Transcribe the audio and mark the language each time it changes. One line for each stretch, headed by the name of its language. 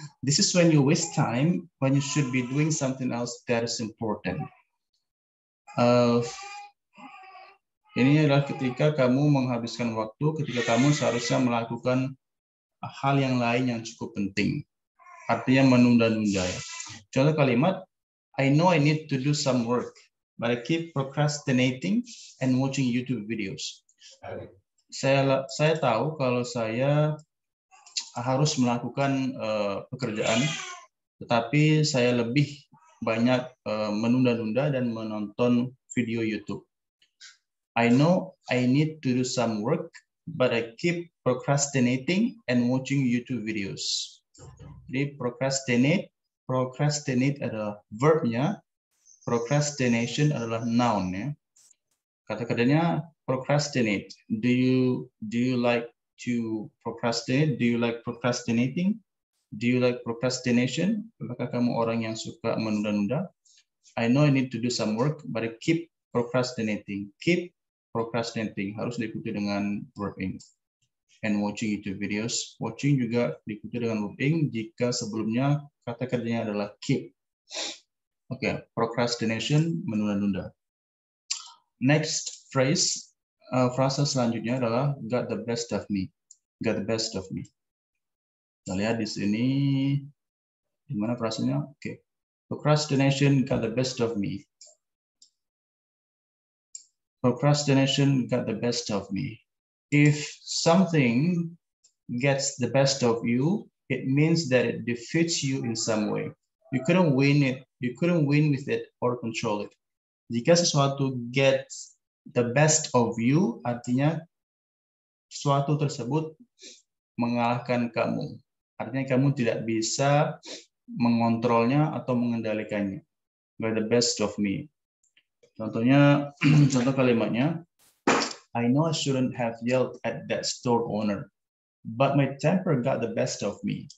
English: This is when you waste time when you should be doing something else that is important.
Indonesian: Ini adalah ketika kamu menghabiskan waktu ketika kamu seharusnya melakukan hal yang lain yang cukup penting. Artinya menunda-nunda. Contoh kalimat,
English: I know I need to do some work, but I keep procrastinating and watching YouTube videos.
Indonesian: Saya tahu kalau saya harus melakukan pekerjaan, tetapi saya lebih banyak menunda-nunda dan menonton video YouTube.
English: I know I need to do some work, but I keep procrastinating and watching YouTube videos.
Indonesian: Jadi procrastinate, procrastinate adalah verbnya, procrastination adalah noun ya. Kata kerjanya
English: procrastinate. Do you like to procrastinate? Do you like procrastinating? Do you like procrastination?
Indonesian: Apakah kamu orang yang suka menunda-nunda?
English: I know I need to do some work, but I keep procrastinating. Keep procrastinating
Indonesian: harus diikuti dengan verbing.
English: And watching YouTube videos,
Indonesian: watching juga diikuti dengan verbing jika sebelumnya kata kerjanya adalah keep.
English: Oke, okay. Procrastination
Indonesian: menunda-nunda.
English: Next phrase,
Indonesian: frasa selanjutnya adalah
English: got the best of me. Got the best of me.
Indonesian: Kita lihat di sini di mana frasanya? Oke. Okay.
English: Procrastination got the best of me. Procrastination got the best of me. If something gets the best of you, it means that it defeats you in some way. You couldn't win it. You couldn't win with it or control it.
Indonesian: Jika sesuatu
English: gets the best of you,
Indonesian: artinya sesuatu tersebut mengalahkan kamu. Artinya kamu tidak bisa mengontrolnya atau mengendalikannya.
English: By the best of me.
Indonesian: Contohnya, contoh kalimatnya,
English: I know I shouldn't have yelled at that store owner, but my temper got the best of me.